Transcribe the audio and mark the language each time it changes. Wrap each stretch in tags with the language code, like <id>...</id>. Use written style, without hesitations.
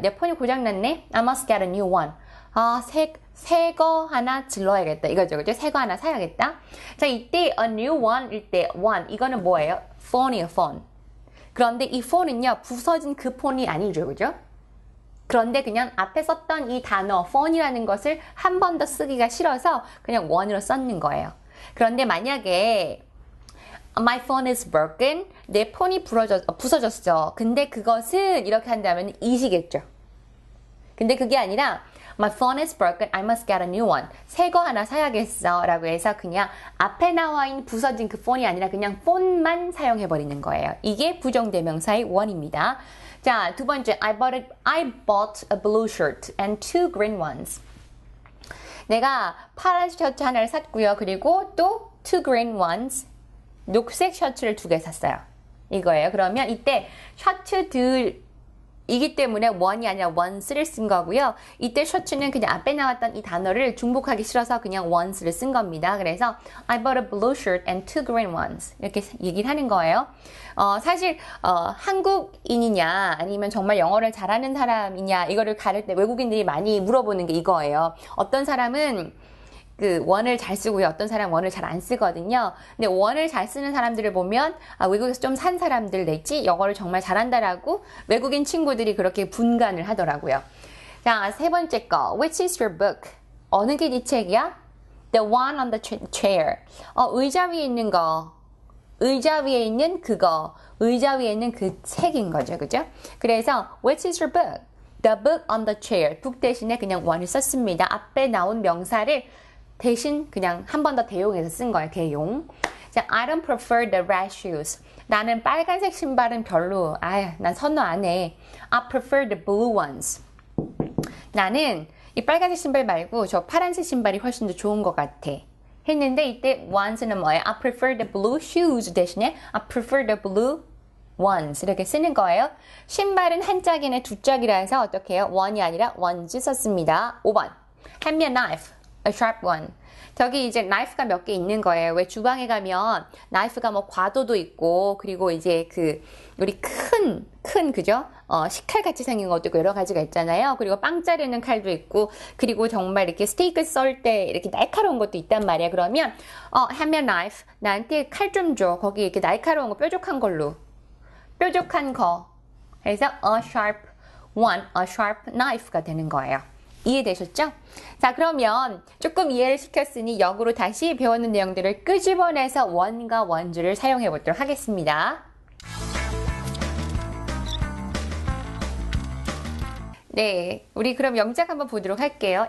<ko>내 폰이 고장났네?</ko> <en>I must get a new one.</en> <ko>아, 새거 하나 질러야겠다. 이거죠, 그죠? 새거 하나 사야겠다. 자, 이때</ko> <en>a new one</en> <ko>일 때 one. 이거는 뭐예요? phone이에요, phone. 그런데 이 phone은요, 부서진 그 폰이 아니죠, 그죠? 그런데 그냥 앞에 썼던 이 단어, phone이라는 것을 한번더 쓰기가 싫어서 그냥 one으로 썼는 거예요. 그런데 만약에</ko> <en>My phone is broken.</en> <ko>내 폰이 부서졌어. 근데 그것은 이렇게 한다면 이시겠죠. 근데 그게 아니라</ko> <en>My phone is broken. I must get a new one.</en> <ko>새거 하나 사야겠어. 라고 해서 그냥 앞에 나와 있는 부서진 그 폰이 아니라 그냥 폰만 사용해버리는 거예요. 이게 부정대명사의 원입니다. 자, 두 번째.</ko> <en>I bought a blue shirt and two green ones.</en> <ko>내가 파란 셔츠 하나를 샀고요. 그리고 또</ko> <en>two green ones.</en> <ko>녹색 셔츠를 두개 샀어요. 이거예요. 그러면 이때 셔츠 둘이기 때문에 원이 아니라 원스를 쓴 거고요. 이때 셔츠는 그냥 앞에 나왔던 이 단어를 중복하기 싫어서 그냥 원스를 쓴 겁니다. 그래서</ko> <en>I bought a blue shirt and two green ones</en> <ko>이렇게 얘기를 하는 거예요. 사실 한국인이냐 아니면 정말 영어를 잘하는 사람이냐 이거를 가를 때 외국인들이 많이 물어보는 게 이거예요. 어떤 사람은 그 원을 잘 쓰고요. 어떤 사람 원을 잘안 쓰거든요. 근데 원을 잘 쓰는 사람들을 보면 아, 외국에서 좀산 사람들 됐지? 영어를 정말 잘한다라고 외국인 친구들이 그렇게 분간을 하더라고요. 자, 세 번째 거.</ko> <en>Which is your book?</en> <ko>어느 게네 책이야?</ko> <en>The one on the chair.</en> <ko>의자 위에 있는 거. 의자 위에 있는 그거. 의자 위에 있는 그 책인 거죠. 그죠? 그래서</ko> <en>Which is your book? The book on the chair.</en> <ko>book 대신에 그냥 원을 썼습니다. 앞에 나온 명사를 대신 그냥 한번더 대용해서 쓴 거예요. 대용.</ko> <en>자, I don't prefer the red shoes.</en> <ko>나는 빨간색 신발은 별로. 아휴, 난 선호 안 해.</ko> <en>I prefer the blue ones.</en> <ko>나는 이 빨간색 신발 말고 저 파란색 신발이 훨씬 더 좋은 것 같아. 했는데 이때 ones는 뭐예요?</ko> <en>I prefer the blue shoes</en> <ko>대신에</ko> <en>I prefer the blue ones</en> <ko>이렇게 쓰는 거예요. 신발은 한 짝이네 두 짝이라 해서 어떻게 해요? one이 아니라 ones 썼습니다.</ko> <en>5번. Hand me a knife. A sharp one.</en> <ko>저기 이제 나이프가 몇개 있는 거예요. 왜 주방에 가면 나이프가 뭐 과도도 있고, 그리고 이제 그, 우리 큰, 그죠? 식칼 같이 생긴 것도 있고, 여러 가지가 있잖아요. 그리고 빵 자르는 칼도 있고, 그리고 정말 이렇게 스테이크 썰때 이렇게 날카로운 것도 있단 말이야.</ko> <en>그러면, hand me a knife.</en> <ko>나한테 칼좀 줘. 거기 이렇게 날카로운 거, 뾰족한 걸로. 뾰족한 거.</ko> <en>해서 a sharp one, a sharp knife가</en> <ko>되는 거예요. 이해되셨죠? 자, 그러면 조금 이해를 시켰으니 역으로 다시 배웠는 내용들을 끄집어내서 원과 원주를 사용해 보도록 하겠습니다. 네, 우리 그럼 영작 한번 보도록 할게요.</ko>